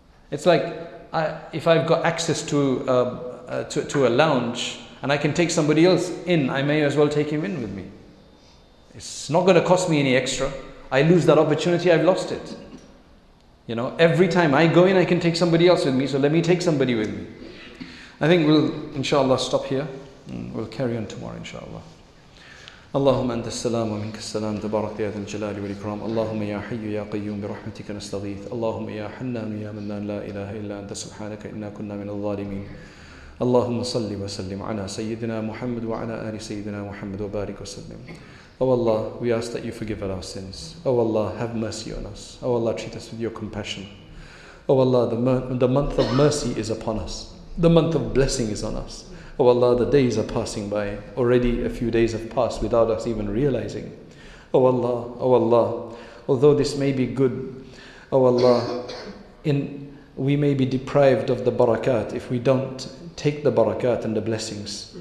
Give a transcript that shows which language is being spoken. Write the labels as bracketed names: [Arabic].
[English] It's like, if I've got access to a lounge, and I can take somebody else in, I may as well take him in with me. It's not going to cost me any extra. I lose that opportunity, I've lost it. You know, every time I go in, I can take somebody else with me, so let me take somebody with me. I think we'll, inshallah, stop here. We'll carry on tomorrow, inshallah. [Arabic] اللهم أنت السلام ومنك السلام تبارك يا ذا الجلال والإكرام اللهم يا حي يا قيوم برحمتك نستغيث اللهم يا حنان يا منان لا إله إلا أنت سبحانك إنا كنا من الظالمين اللهم صل وسلم على سيدنا محمد وعلى آل سيدنا محمد وبارك وسلم [English] Oh Allah, we ask that you forgive our sins. Oh Allah, have mercy on us. Oh Allah, treat us with your compassion. Oh Allah, the month of mercy is upon us. The month of blessing is on us. Oh Allah, the days are passing by. Already a few days have passed without us even realizing. Oh Allah, oh Allah, although this may be good, oh Allah, we may be deprived of the barakat if we don't take the barakat and the blessings.